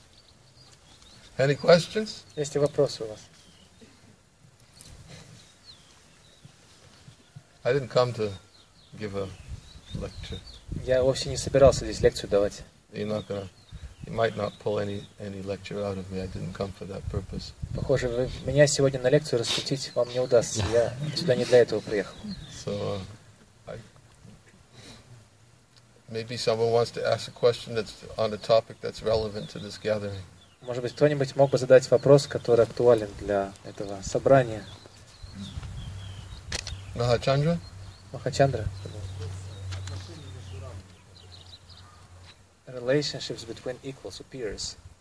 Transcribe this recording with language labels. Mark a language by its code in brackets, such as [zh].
[en] Alright. Okay. Any questions? [ru] Есть ли вопросы у вас? [en] I didn't come to give a lecture. [ru] Я вовсе не собирался здесь лекцию давать. [en] You're not gonna. You might not pull any lecture out of me. I didn't come for that purpose. [ru] Похоже, меня сегодня на лекцию раскрутить вам не удастся. Я сюда не для этого приехал. [en] So. Maybe someone wants to ask a question that's on a topic that's relevant to this gathering. [ru] Может быть, кто-нибудь мог бы задать вопрос, который актуален для этого собрания. Махачандра? Махачандра. [en] Relationships between equals or peers.